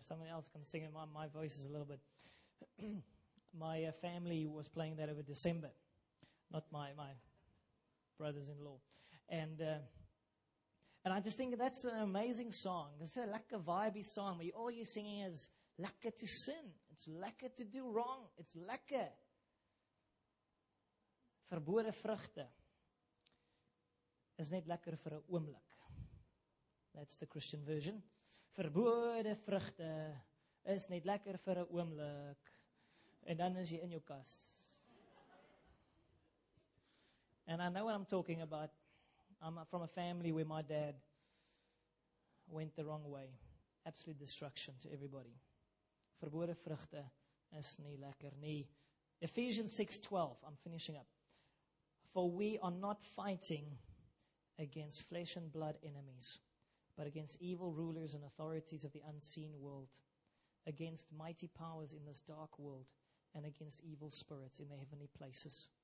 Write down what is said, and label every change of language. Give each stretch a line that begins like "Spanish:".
English: Someone else can sing it, my voice is a little bit. My family was playing that over December, not my brothers-in-law. And I just think that's an amazing song. It's a lekker vibey song where all you're singing is lekker to sin. It's lekker to do wrong. It's lekker.
Afrikaans: Verbode vrugte is net lekker vir 'n oomblik.
English: That's the Christian version.
Afrikaans: Verbode vrugte is net lekker vir 'n oomblik. En dan is jy in jou kas.
English: And I know what I'm talking about. I'm from a family where my dad went the wrong way. Absolute destruction to everybody.
Afrikaans: Verbode vrugte is nie lekker nie.
English: Ephesians 6:12. I'm finishing up. For we are not fighting against flesh and blood enemies, but against evil rulers and authorities of the unseen world, against mighty powers in this dark world, and against evil spirits in the heavenly places.